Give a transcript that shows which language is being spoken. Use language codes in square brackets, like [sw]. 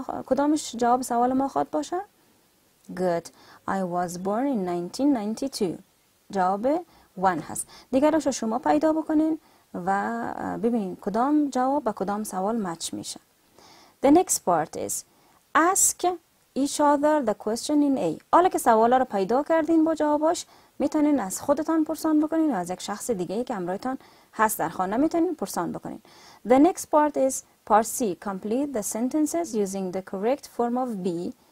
[fa] کدامش جواب سوال ما خواهد باشه؟ [en] Good. I was born in 1992. [fa] جواب [en] one [fa] هست. دیگرش رو شما پیدا بکنین و ببینین کدام جواب با کدام سوال مچ میشه. [en] The next part is ask each other the question in A. [fa] حالا که سوالا رو پیدا کردین با جواباش، میتونین از خودتان پرسان بکنین و از یک شخص دیگه که همراهتان هست در خانه میتونین پرسان بکنین. [en] The next part is part C. Complete the sentences using the correct form of B.